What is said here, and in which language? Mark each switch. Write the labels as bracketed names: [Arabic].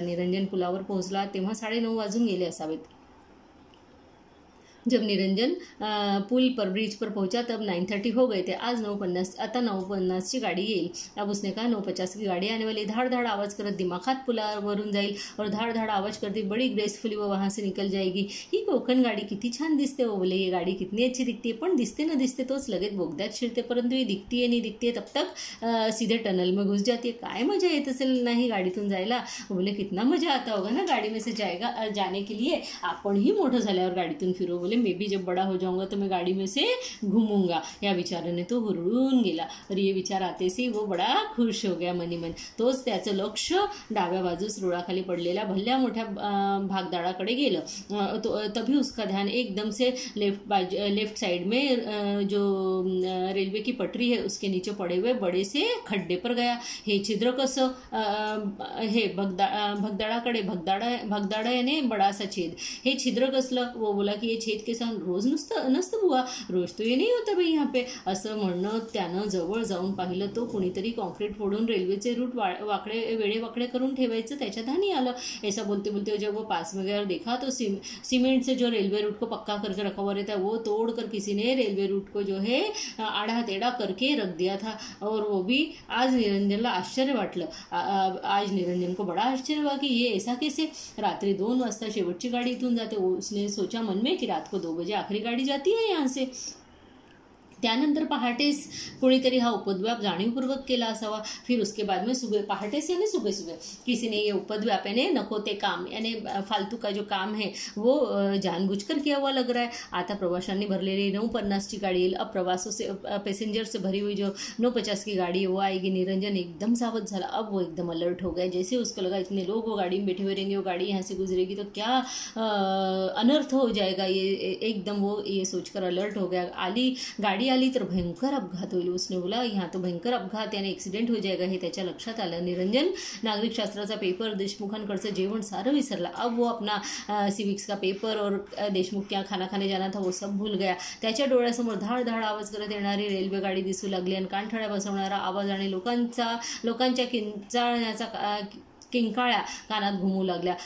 [Marathi] निरंजन पुलावर पोहोचला तेव्हा 9:30 वाजून गेले असावेत। [Hindi] जब निरंजन पुल पर ब्रिज पर पहुंचा तब 9:30 हो गए थे। [Marathi] आता 9:50 की गाड़ी येईल। [Hindi] अब उसने कहा 9:50 की गाड़ी आने वाली, [Marathi] धाड़ आवाज करत दिमाखात पुलावरून जाईल [Hindi] और धाड़ आवाज करती बड़ी ग्रेसफुली वो वहां से निकल जाएगी। [Marathi] ही कोकण गाड़ी किती छान दिसते, [Hindi] वो बोले ये गाड़ी कितनी अच्छी दिखती है, [Marathi] पण दिसते ना दिसते तोच लगेच बोगद्यात शिरते, [Hindi] परंतु ही दिखती है नहीं दिखती है तब तक सीधे टनल में घुस जाती है। [Marathi] काय मजा येत असेल ना ही गाडीतून जायला, [Hindi] वो बोले कितना मजा आता होगा ना गाडी में से जाने के लिए, [Marathi] आपण ही मोठं झाल्यावर गाडीतून फिरो, [Hindi] बोले मे भी जब बड़ा हो जाऊंगा तो मैं गाड़ी में से घूमूंगा। [Marathi] या विचाराने तो हुरळून गेला [Hindi] और ये विचार आते से वो बड़ा खुश हो गया मनी मन। [Marathi] तो त्याचं लक्ष डाव्या बाजूस रुळाखाली पडलेल्या भल्या मोठ्या भागदाळाकडे गेलं। [Hindi] तो तभी उसका ध्यान एकदम से लेफ्ट साइड में जो रेलवे की पटरी है उसके नीचे पड़े हुए बड़े से खड्डे पर गया। [Marathi] हे छिद्र कसं हे भगदाळाकडे, भगदाळा याने बड़ा सा छेद, हे छिद्र कसलं, वो बोला की छेद के सामने रोज नसत बुआ, [Hindi] रोज तो ये नहीं होता भाई यहाँ पे, [Marathi] असं म्हणणं त्यानं जवळ जाऊन पाहिलं तो कुणीतरी कॉन्क्रीट फोडून रेल्वेचे रूट वाकडे करून ठेवायचं त्याच्या धानी आलं। [Hindi] ऐसा बोलते बोलते जब वो पास वगैरह देखा तो सीमेंट से जो रेलवे रूट को पक्का करके रखा हुआ रहता है वो तोड़ कर किसी ने रेलवे रूट को जो है आढ़ा तेढ़ा करके रख दिया था। और वो भी [Marathi] आज निरंजनला आश्चर्य वाटलं, [Hindi] आज निरंजन को बड़ा आश्चर्य हुआ कि ये ऐसा कैसे [Marathi] रात्रि 2 वाजता शेवटची गाडी इथून जाते। [Hindi] उसने सोचा मन में रात को 2 बजे आखिरी गाड़ी जाती है यहां से। [Marathi] त्यानंतर पहाटेस कोणीतरी हा उपद्व्याप जाणीवपूर्वक केला असावा। [Hindi] फिर उसके बाद में सुबह पहाटेस यानी सुबह किसी ने ये उपद्व्याप यानी नको ते काम यानी फालतू का जो काम है वो जानबूझकर किया हुआ लग रहा है। [Marathi] आता प्रवाशांनी भरलेली 9:50 ची गाड़ी येईल। [Hindi] अब प्रवासों से पैसेंजर से भरी हुई जो 9:50 की गाड़ी है वो आएगी। [Marathi] निरंजन एकदम सावध झाला, [Hindi] अब वो एकदम अलर्ट हो गया। जैसे उसको लगा इतने लोग वो गाड़ी में बैठे हुए रहेंगे, वो गाड़ी यहाँ से गुजरेगी तो क्या अनर्थ हो जाएगा, ये एकदम वो ये सोचकर अलर्ट हो गया। [Marathi] आली तर भयंकर अपघात होईल, [Hindi] उसने बोला यहाँ तो भयंकर अपघात यानी एक्सिडेंट हो जाएगा, [Marathi] हे त्याच्या लक्षात आलं। निरंजन नागरिक शास्त्राचा पेपर, देशमुखांकडचं जेवण सारं विसरला। [Hindi] अब वो अपना सिविक्स का पेपर और देशमुख क्या खाना खाने जाना था वो सब भूल गया। [Marathi] त्याच्या डोळ्यासमोर धाड़ आवाज करत येणारी रेल्वे गाड़ी दिसू लागली आणि कानठड्या बसवणारा आवाज आणि लोकांच्या किंचाळण्याचा किंकाळ्या कानात घूमू लागल्या।